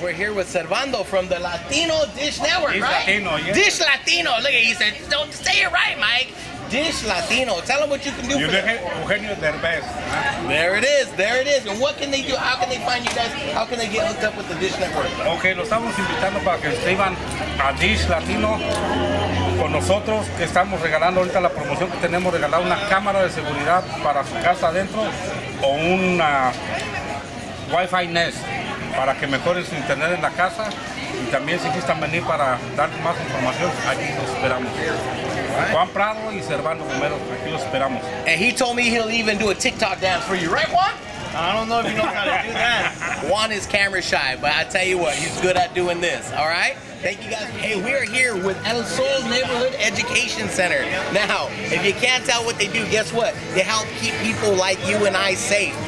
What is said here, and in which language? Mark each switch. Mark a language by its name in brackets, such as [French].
[English] We're here with Servando from the Latino Dish Network, Dish right? Latino, yeah. Dish Latino. Look at you. Said, don't say it right, Mike. Dish Latino. Tell them what you can do you for them. Eugenio Derbez. There it is. There it is. And what can they do? How can they find you guys? How can they get hooked up with the Dish Network? [Spanish] Okay, los estamos invitando para que escriban a Dish Latino con nosotros, que estamos regalando ahorita la promoción que tenemos, regalar una cámara de seguridad para su casa adentro o una Wi-Fi Nest para que mejoren su internet en la casa. Y también si quieren venir para dar más información, aquí los esperamos. Juan Prado y Servando Romero, aquí los esperamos. [English] And he told me he'll even do a TikTok dance for you, right, Juan? I don't know if you know how to do that. Juan is camera shy, but I tell you what, he's good at doing this, all right? Thank you guys. Hey, we are here with El Sol Neighborhood Education Center. Now, if you can't tell what they do, guess what? They help keep people like you and I safe.